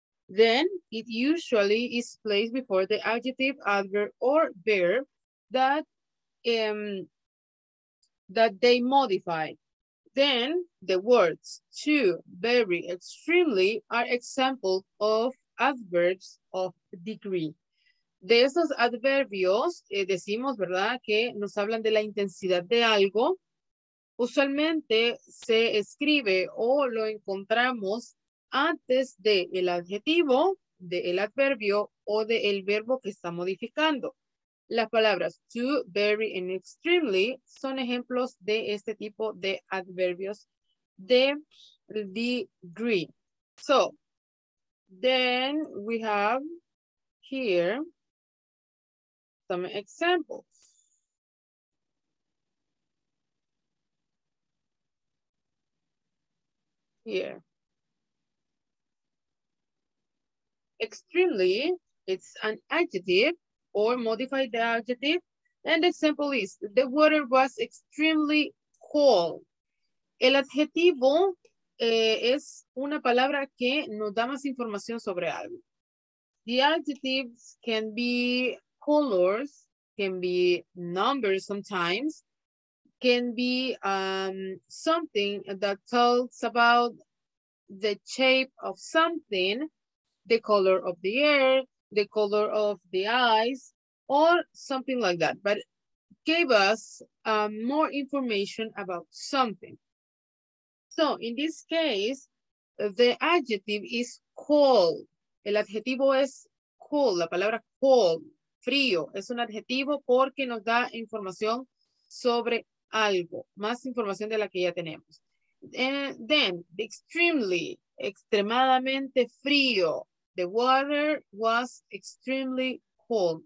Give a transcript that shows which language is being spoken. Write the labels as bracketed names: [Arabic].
[English] Then it usually is placed before the adjective, adverb, or verb that that they modify. Then the words to, very, extremely are examples of adverbs of degree. [Spanish] De esos adverbios decimos, ¿verdad?, que nos hablan de la intensidad de algo. Usualmente se escribe o lo encontramos antes de el adjetivo, de el adverbio o de el verbo que está modificando. Las palabras to, very, and extremely son ejemplos de este tipo de adverbios de degree. [English] So, then we have here some examples. Here. Extremely, it's an adjective or modify the adjective. And the example is, the water was extremely cold. [Spanish] El adjetivo es una palabra que nos da más información sobre algo. [English] The adjectives can be colors, can be numbers sometimes, can be something that talks about the shape of something, the color of the air, the color of the eyes, or something like that, but gave us more information about something. So in this case, the adjective is cold. [Spanish] El adjetivo es cold, la palabra cold, frío, es un adjetivo porque nos da información sobre algo, más información de la que ya tenemos. [English] And then, extremely, [Spanish] extremadamente frío. [English] The water was extremely cold.